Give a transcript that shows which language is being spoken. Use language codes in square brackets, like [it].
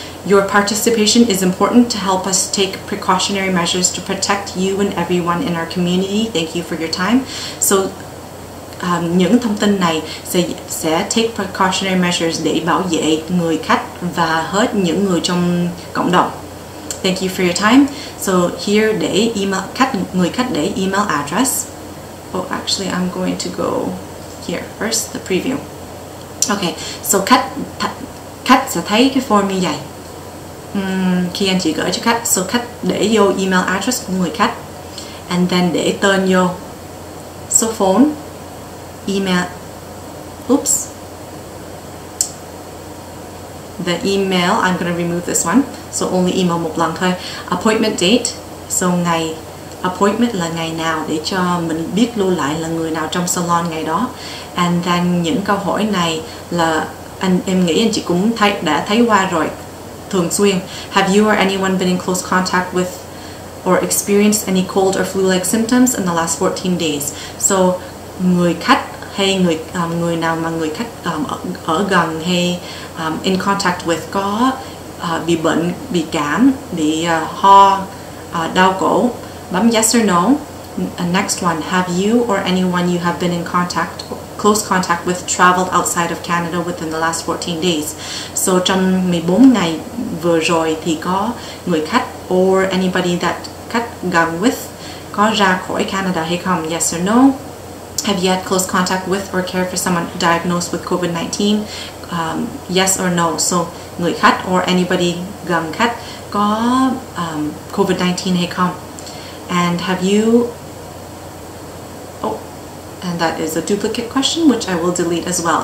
[en] Your participation is important to help us take precautionary measures to protect you and everyone in our community. Thank you for your time. [vi] So những thông tin này sẽ [en] take precautionary measures [vi] để bảo vệ người khách và hết những người trong cộng đồng. [en] Thank you for your time. [vi] So here để email khách, người khách để email address. [en] Oh, actually I'm going to go here first, the preview. [vi] Okay, so khách sẽ thấy cái form như vậy. Khi anh chị gửi cho khách, so khách để vô email address của người khách, and then để tên vô, số phone, email, oops, [en] the email, I'm going to remove this one, [vi] so only email một lần thôi, appointment date, so ngày, appointment là ngày nào để cho mình biết lưu lại là người nào trong salon ngày đó, and then những câu hỏi này là em nghĩ anh chị cũng đã thấy qua rồi. Thường xuyên. [en] Have you or anyone been in close contact with or experienced any cold or flu-like symptoms in the last 14 days? [vi] So, người khách hay người nào mà người khách ở gần hay in contact with có bị bệnh, bị cảm, bị ho, đau cổ? [en] Bấm yes or no. Next one. Have you or anyone you have been in contact with? Close contact with traveled outside of Canada within the last 14 days. [vi] So trong 14 ngày vừa rồi thì có người khách or anybody that khách gần with có ra khỏi Canada hay không? [en] Yes or no? Have you had close contact with or cared for someone diagnosed with COVID-19? Yes or no? [vi] So người khách or anybody gần khách có COVID-19 hay không? [en] And have you... And that is a duplicate question, which I will delete as well.